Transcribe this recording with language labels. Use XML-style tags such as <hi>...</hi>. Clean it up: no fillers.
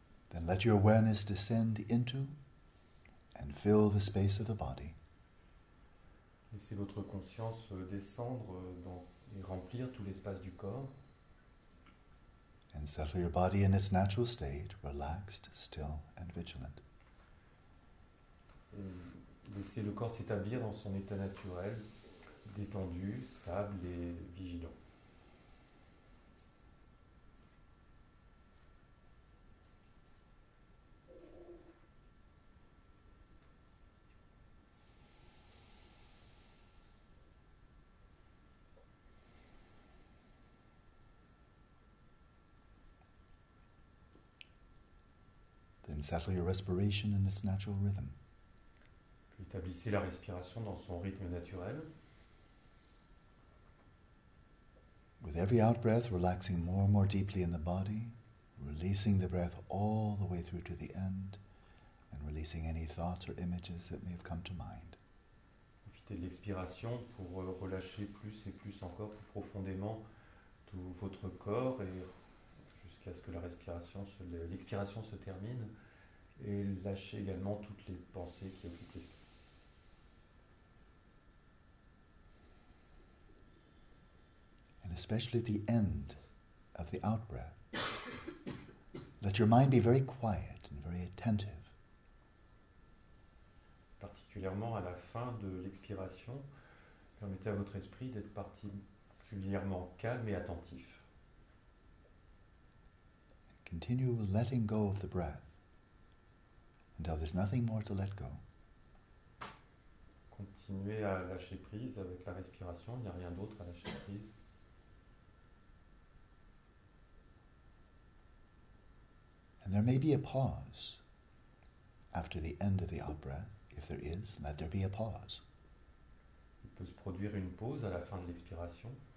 <en>Then let your awareness descend into and fill the space of the body.</en> <fr>Laissez votre conscience descendre dans et remplir tout l'espace du corps.</fr> <en>And settle your body in its natural state, relaxed, still and vigilant.</en> <fr>Laissez le corps s'établir dans son état naturel, détendu, stable et vigilant.</fr> <en>And settle your respiration in its natural rhythm.</en> <fr>Établissez la respiration dans son rythme naturel.</fr> <en>With every out-breath, relaxing more and more deeply in the body, releasing the breath all the way through to the end, and releasing any thoughts or images that may have come to mind.</en> <fr>Profitez de l'expiration pour relâcher plus et plus encore, plus profondément, tout votre corps et jusqu'à ce que l'expiration se termine. Et lâchez également toutes les pensées qui occupent l'esprit.</fr> <en>And especially at the end of the out-breath, let your mind be very quiet and very attentive.</en> <fr>Particulièrement à la fin de l'expiration, permettez à votre esprit d'être particulièrement calme et attentif.</fr> <en>And continue letting go of the breath. Until there's nothing more to let go.</en> <fr>Continuez à lâcher prise avec la respiration, il n'y a rien d'autre à lâcher prise.</fr> <en>And there may be a pause after the end of the out-breath. If there is, let there be a pause.</en> <fr>Il peut se produire une pause à la fin de l'expiration.</fr>